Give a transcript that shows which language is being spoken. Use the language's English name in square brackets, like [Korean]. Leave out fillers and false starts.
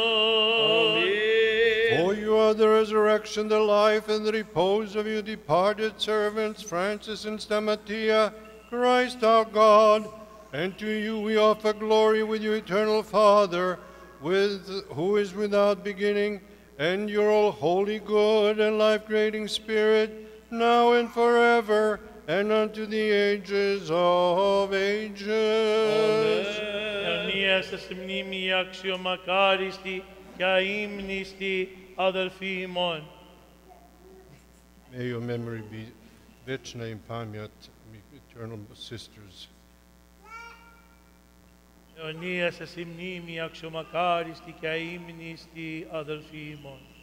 [English] For you are the resurrection, the life, and the repose of your departed servants, Francis and Stamatia, Christ our God, and to you we offer glory with your eternal Father, with who is without beginning, and your all holy, good, and life-creating Spirit, now and forever, and unto the ages of ages. Amen. [Greek] Σε μνήμη αξιομακάριστη και αείμνηστη αδελφή ημών. [English] May your memory be [Russian] vechna impamyat, [English] eternal sisters. [Greek] Αιωνία σε μνήμη αξιομακάριστη και αείμνηστη αδελφή ημών.